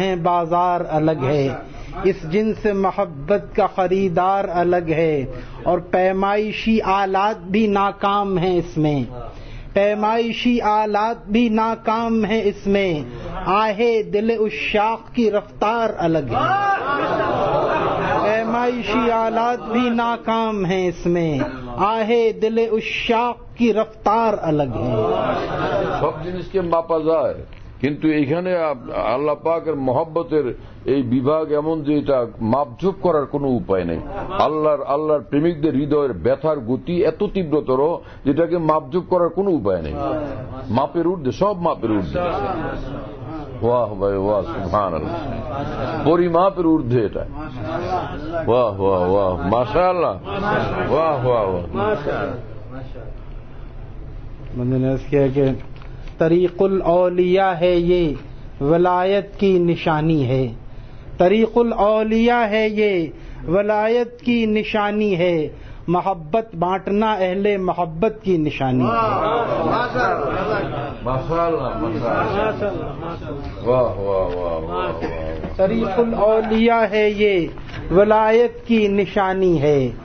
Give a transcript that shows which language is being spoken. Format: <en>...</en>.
<ur>বাজার আলগ হ্যায় اس جن سے محبت کا خریدار الگ ہے اور پیمائشی آلات بھی ناکام ہیں اس میں پیمائشی آلات بھی ناکام ہیں اس میں آہے دل عشاق کی رفتار الگ ہے پیمائشی آلات بھی ناکام ہیں اس میں آہے دل عشاق کی رفتار الگ ہے سب جنس کے ماپا جائے</ur> <bn>কিন্তু এখানে আল্লাহ পাকের মহব্বতের এই বিভাগ এমন যে এটা মাপঝুপ করার কোন উপায় নেই আল্লাহর প্রেমিকদের হৃদয়ের ব্যথার গতি এত তীব্রতর যেটাকে মাপঝুপ করার কোন উপায় নেই মাপের ঊর্ধ্বে সব মাপের ঊর্ধ্বে ওয়াহ ভাই ওয়াহ সুবহানাল্লাহ পরিমাপের ঊর্ধ্বে এটা ওয়াহ ওয়াহ ওয়াহ মাশাআল্লাহ ওয়াহ ওয়াহ ওয়াহ</bn> <ur>মানে طریق الاولیاء ہے یہ ولایت کی نشانی ہے طریق الاولیاء ہے یہ ولایت کی نشانی ہے محبت بانٹنا اہل محبت کی نشانی ہے طریق الاولیاء ہے یہ ولایت کی نشانی ہے</ur>